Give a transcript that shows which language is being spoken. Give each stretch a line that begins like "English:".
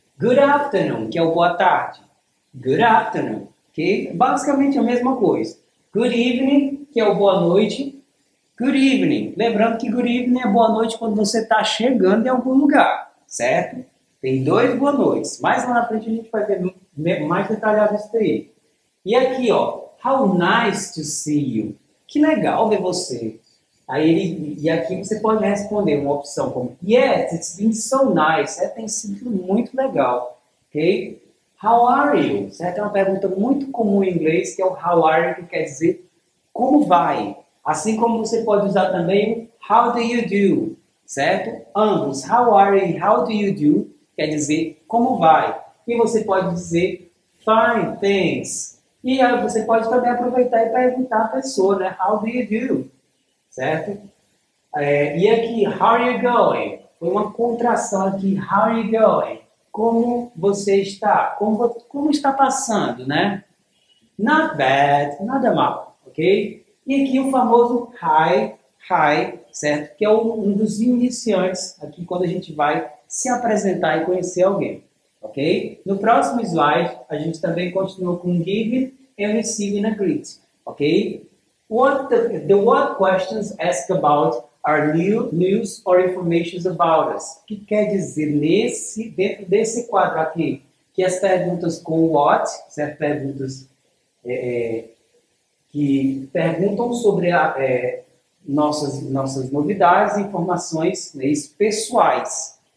English: Good afternoon,
Portuguese: que é o boa tarde.
English: Good afternoon, ok?
Portuguese: Basicamente a mesma coisa.
English: Good evening,
Portuguese: que é o boa noite. Good evening. Lembrando que
English: good evening
Portuguese: é boa noite quando você está chegando em algum lugar, certo? Tem dois boa noites. Mais lá na frente a gente vai ver mais detalhado isso daí. E aqui, ó,
English: how nice to see you.
Portuguese: Que legal ver você. Aí ele, e aqui você pode responder uma opção como
English: yes, it's been so nice.
Portuguese: É, tem sido muito legal. Ok?
English: How are you?
Portuguese: Certo? É uma pergunta muito comum em inglês, que é o
English: how are you,
Portuguese: que quer dizer como vai. Assim como você pode usar também o
English: how do you do.
Portuguese: Certo? Ambos,
English: how are you, how do you do,
Portuguese: quer dizer como vai. E você pode dizer
English: fine, thanks.
Portuguese: E aí você pode também aproveitar e perguntar a pessoa, né?
English: How do you do?
Portuguese: Certo?
English: E aqui, how are you going?
Portuguese: Foi uma contração aqui,
English: how are you going?
Portuguese: Como você está? Como está passando, né?
English: Not bad,
Portuguese: nada mal, ok? E aqui o famoso hi, certo? Que é um dos iniciantes aqui quando a gente vai se apresentar e conhecer alguém, ok? No próximo slide, a gente também continua com
English: give and receive and a greet,
Portuguese: ok?
English: What questions ask about are new news or information about us?
Portuguese: O que quer dizer dentro desse quadro aqui? Que as perguntas com what, certo? Perguntas que perguntam sobre nossas novidades, informações, né, pessoais.